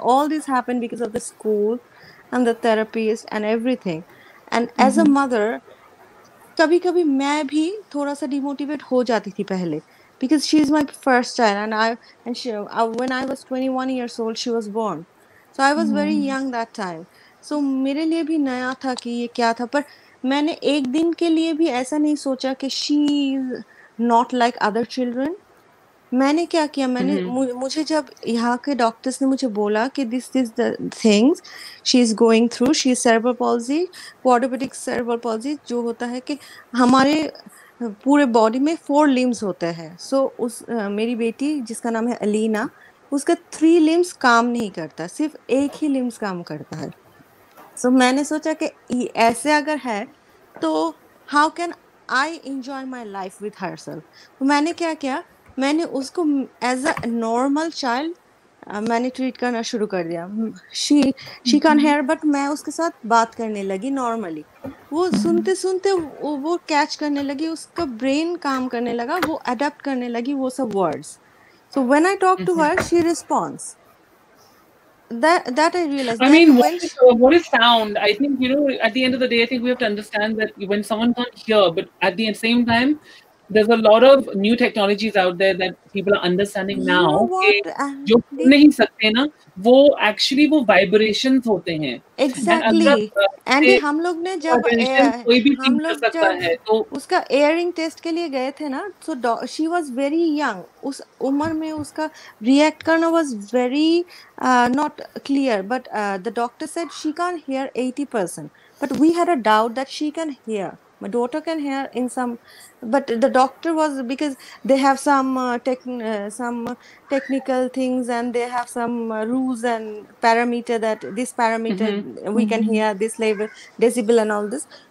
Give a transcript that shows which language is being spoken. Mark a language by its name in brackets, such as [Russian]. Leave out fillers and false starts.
[English] All this happened because of the school and the therapist and everything. And as a mother, [Hindi] kabhi kabhi main bhi thoda sa demotivate ho jati thi pehle, [English] because she's my first child and when I was 21 years old she was born, so I was very young that time. [Hindi] सो मेरे लिए भी नया था कि ये क्या था, पर मैंने एक दिन के लिए भी ऐसा नहीं सोचा कि [English] She is not like other children. [Hindi] मैंने क्या किया, मैंने मुझे जब यहाँ के डॉक्टर्स ने मुझे बोला कि [English] this is the things she is going through, she is cerebral palsy, [Hindi] क्वाड्रोपेटिक cerebral पॉल्जी, जो होता है कि हमारे पूरे बॉडी में 4 लिम्स होते हैं. सो उस मेरी बेटी जिसका नाम है अलीना, उसका 3 लिम्स काम नहीं करता, सिर्फ एक ही लिम्स काम करता है. सो मैंने सोचा कि ऐसे अगर है तो [English] How can I enjoy my life with herself. [Hindi] मैंने क्या किया, मैंने उसको एज अ नॉर्मल चाइल्ड मैंने ट्रीट करना शुरू कर दिया. [English] she can hear, but [Hindi] मैं उसके साथ बात करने लगी नॉर्मली. वो सुनते सुनते वो कैच करने लगी, उसका ब्रेन काम करने लगा, वो अडेप्ट करने लगी वो सब words. So [English] When I talk to her she response. That I realized. I mean, what is sound? I think, you know, at the end of the day, I think we have to understand that when someone can't hear, but at the same time, there's a lot of new technologies out there that people are understanding now. You know what? [Hindi] जो नहीं सकते ना, वो actually वो vibrations होते हैं. [English] Exactly. [Hindi] And हम लोग ने जब कोई भी चीज कर सकता है, तो उसका earring test के लिए गए थे ना, [English] so she was very young. [Hindi] उस उम्र में उसका react करना [English] was very not clear. But the doctor said she can't hear 80%. But we had a doubt that she can hear. My daughter can hear in some, but the doctor was, because they have some technical things and they have some rules and parameter that this parameter we can hear this level decibel and all this.